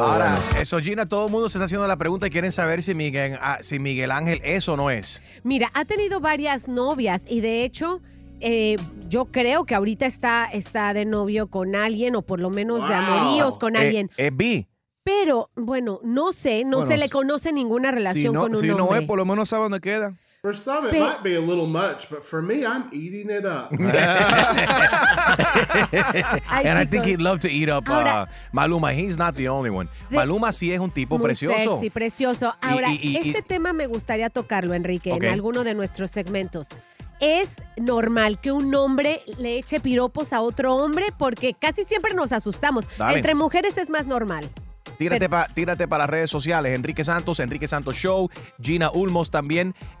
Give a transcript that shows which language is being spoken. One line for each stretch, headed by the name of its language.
Spanish: Ahora, eso, Gina, todo el mundo se está haciendo la pregunta y quieren saber si Miguel Ángel es o no es. Mira, ha tenido varias novias y de hecho, yo creo que ahorita está de novio con alguien o por lo menos de amoríos con alguien. Vi. Pero, bueno, no sé, se le conoce ninguna relación si no, con un si hombre. Si no es, por lo menos sabe dónde queda.
English: For some, it might be a little much, but for me, I'm eating it up. Ay, and chicos, I think he'd love to eat up Maluma. He's not the only one. Maluma
Spanish: sí es un tipo muy precioso. Sexy, precioso. Ahora, tema me gustaría tocarlo, Enrique, okay, en alguno de nuestros segmentos. ¿Es normal que un hombre le eche piropos a otro hombre? Porque casi siempre nos asustamos. Dale. Entre mujeres es más normal. Tírate para las redes sociales, Enrique Santos, Enrique Santos Show, Gina Ulmos también.